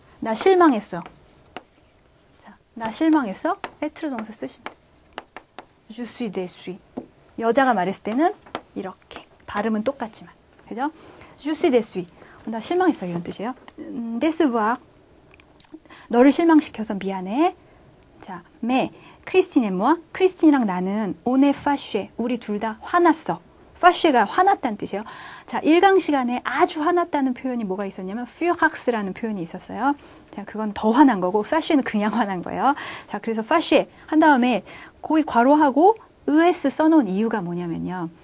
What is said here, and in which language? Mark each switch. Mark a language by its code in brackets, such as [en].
[ko] 나 실망했어. 자, 나 실망했어. 에트르 동사 쓰십니다. [fr] Je suis déçu. [ko] 여자가 말했을 때는 이렇게 발음은 똑같지만, 그죠? [fr] Je suis déçu. [ko] 나 실망했어 이런 뜻이에요. [fr] Décevoir. [ko] 너를 실망시켜서 미안해. [fr] 자, mais Christine et moi, Christine이랑 [ko] 나는 [fr] on est fâché. [ko] 우리 둘다 화났어. Fâché가 화났다는 뜻이에요. 자, 일강 시간에 아주 화났다는 표현이 뭐가 있었냐면 furax라는 표현이 있었어요. 자, 그건 더 화난 거고 fâché는 그냥 화난 거예요. 자, 그래서 fâché 한 다음에 거기 괄호하고 es 써놓은 이유가 뭐냐면요.